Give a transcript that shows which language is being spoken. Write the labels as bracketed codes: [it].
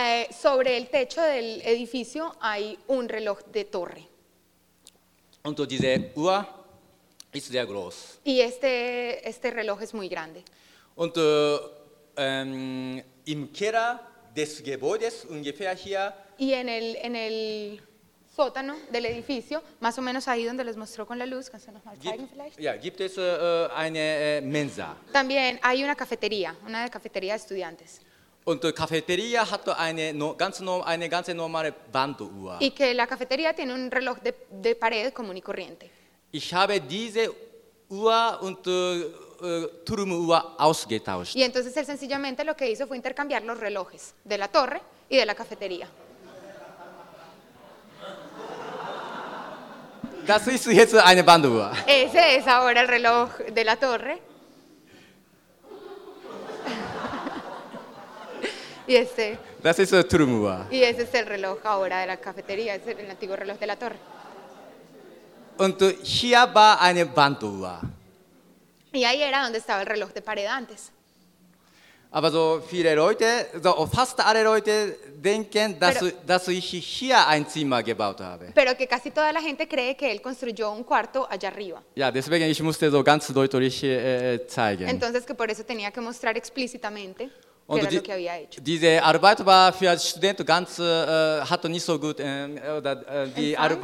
[es] Sobre el techo del edificio hay un reloj de torre. [de] Und diese Uhr ist sehr groß. [es] Y este reloj es muy grande. [de] Und im Keller des Gebäudes ungefähr hier. [es] Y en el sótano del edificio, más o menos ahí donde les mostró con la luz, [de] ¿cansa nos mal zeigen vielleicht? Ja, gibt es eine Mensa. [es] También hay una cafetería de estudiantes. [de] Und die Cafeteria hat eine ganz normale Wanduhr. [es] Y que la cafetería tiene un reloj de pared común y corriente. [de] Ich habe diese Uhr und Turmuhr ausgetauscht. [es] Y entonces él sencillamente lo que hizo fue intercambiar los relojes de la torre y de la cafetería. [de] Das ist jetzt eine Wanduhr. [es] Ese es ahora el reloj de la torre. Y este. [de] Das ist eine Turmuhr. [es] Y ese es el reloj ahora de la cafetería, es el antiguo reloj de la torre. [de] Und hier war eine Wanduhr. [es] Y ahí era donde estaba el reloj de pared antes. [de] Aber so viele Leute, so fast alle Leute denken, dass ich hier ein Zimmer gebaut habe. [es] Pero que casi toda la gente cree que él construyó un cuarto allá arriba. [de] Ja, deswegen ich musste so ganz deutlich zeigen. [es] Entonces que por eso tenía que mostrar explícitamente qué era lo que había hecho. [de] Diese Arbeit war für als Student ganz hat nicht so gut oder die Empfang?